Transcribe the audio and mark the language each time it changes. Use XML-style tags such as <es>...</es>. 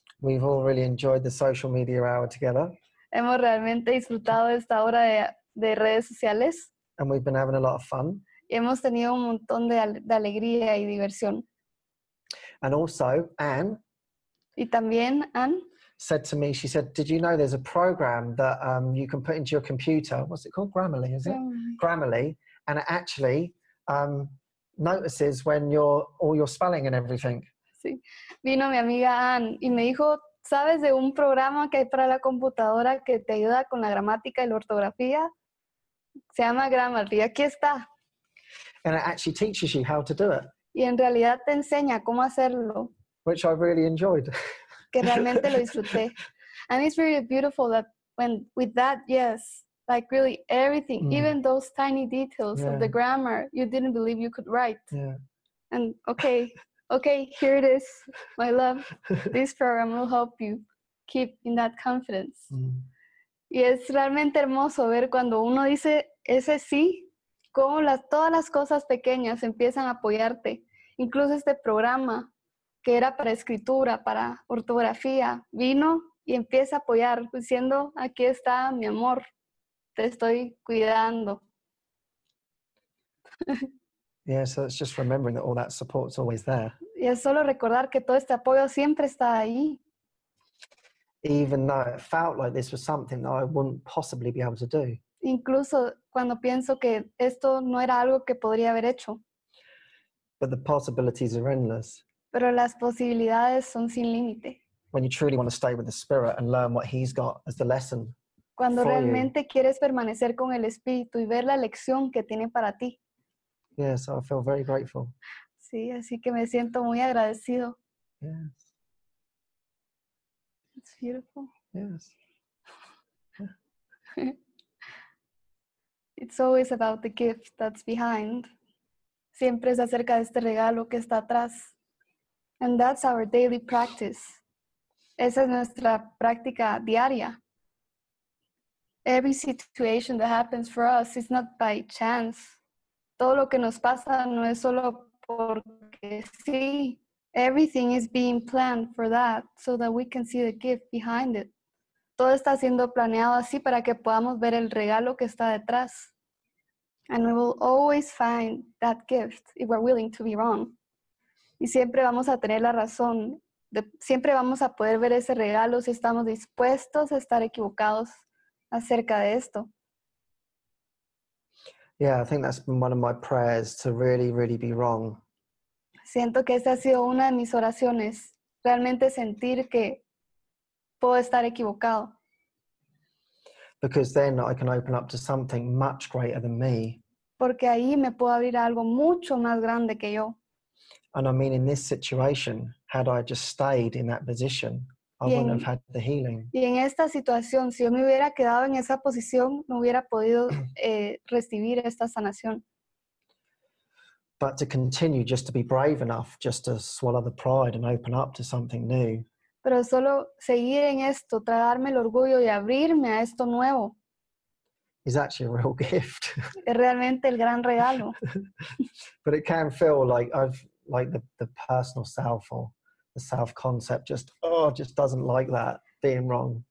<en>we've all really enjoyed the social media hour together.</en> <es>Hemos realmente disfrutado esta hora de redes sociales.</es> <en>And we've been having a lot of fun.</en> <es>Y hemos tenido un montón de alegría y diversión.</es> <en>And also, Anne.</en> <es>Y también Anne.</es> <en>Said to me, she said, "Did you know there's a program that you can put into your computer? What's it called? Grammarly, is it? Grammarly, and it actually." Notices when all your spelling and everything.</en> <es>Sí. Vino mi amiga Anne y me dijo, ¿sabes de un programa que hay para la computadora que te ayuda con la gramática y la ortografía? Se llama Grammarly. Aquí está.</es> <en>And it actually teaches you how to do it.</en> <es>Y en realidad te enseña cómo hacerlo.</es> <en>Which I really enjoyed.</en> <es>Que realmente lo disfruté.</es> <en>And it's really beautiful that when with that, yes. Like really everything, even those tiny details of the grammar, you didn't believe you could write. Yeah. And okay, here it is, my love. This program will help you keep in that confidence. Mm.</en> <es>Y es realmente hermoso ver cuando uno dice ese sí, cómo todas las cosas pequeñas empiezan a apoyarte. Incluso este programa que era para escritura, para ortografía, vino y empieza a apoyar, diciendo, aquí está mi amor. Te estoy cuidando.</es> <en>Yeah, so it's just remembering that all that support's always there.</en> <es>Y es solo recordar que todo este apoyo siempre está ahí.</es> <en>Even though it felt like this was something that I wouldn't possibly be able to do.</en> <es>Incluso cuando pienso que esto no era algo que podría haber hecho.</es> <en>But the possibilities are endless.</en> <es>Pero las posibilidades son sin límite.</es> <en>When you truly want to stay with the Spirit and learn what He's got as the lesson.</en> <es>Cuando realmente quieres permanecer con el Espíritu y ver la lección que tiene para ti.</es> <en>Yes, I feel very grateful.</en> <es>Sí, así que me siento muy agradecido.</es> <en>Yes. It's beautiful. Yes. It's always about the gift that's behind.</en> <es>Siempre es acerca de este regalo que está atrás.</es> <en>And that's our daily practice.</en> <es>Esa es nuestra práctica diaria.</es> <en>Every situation that happens for us is not by chance.</en> <es>Todo lo que nos pasa no es solo porque sí.</es> <en>Everything is being planned for that so that we can see the gift behind it.</en> <es>Todo está siendo planeado así para que podamos ver el regalo que está detrás.</es> <en>And we will always find that gift if we're willing to be wrong.</en> <es>Y siempre vamos a tener la razón. Siempre vamos a poder ver ese regalo si estamos dispuestos a estar equivocados acerca de esto.</es> <en>Yeah, I think that's been one of my prayers, to really, really be wrong.</en> <es>Siento que esta ha sido una de mis oraciones. Realmente sentir que puedo estar equivocado.</es> <en>Because then I can open up to something much greater than me.</en> <es>Porque ahí me puedo abrir a algo mucho más grande que yo.</es> <en>And I mean, in this situation, had I just stayed in that position, I wouldn't have had the healing.</en> <es>Y en esta situación, si yo me hubiera quedado en esa posición, no hubiera podido recibir esta sanación.</es> <en>But to continue, just to be brave enough, just to swallow the pride and open up to something new.</en> <es>Pero solo seguir en esto, tragarme el orgullo y abrirme a esto nuevo.</es> <en>Is actually a real gift.</en> <es>Es realmente el gran regalo.</es> <en>But it can feel like the personal self or the self concept just doesn't like that being wrong.</en>